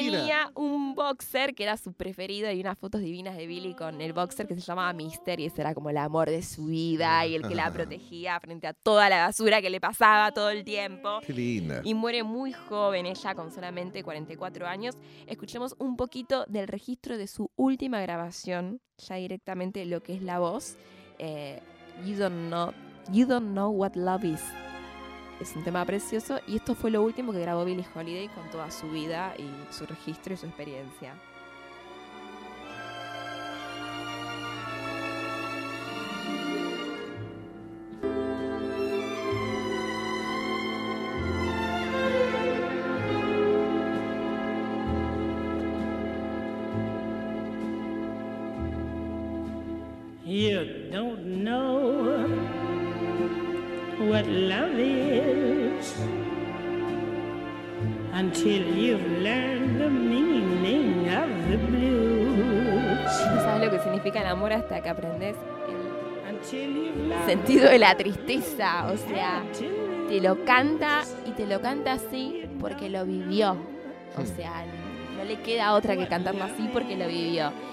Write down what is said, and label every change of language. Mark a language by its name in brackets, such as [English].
[Spanish] Y tenía un boxer que era su preferido. Y unas fotos divinas de Billie con el boxer que se llamaba Mister. Y ese era como el amor de su vida y el que la protegía frente a toda la basura que le pasaba todo el tiempo. Qué linda. Y muere muy joven ella, con solamente 44 años. Escuchemos un poquito del registro de su última grabación, ya directamente lo que es la voz. [English] You don't know what love is. [Spanish] Es un tema precioso y esto fue lo último que grabó Billie Holiday con toda su vida y su registro y su experiencia. [English] You don't know what love is until you've learned the meaning of the blues. [Spanish] ¿No sabes lo que significa el amor hasta que aprendes el sentido de la tristeza? O sea, te lo canta y te lo canta así porque lo vivió. O sea, no le queda otra que cantarlo así porque lo vivió.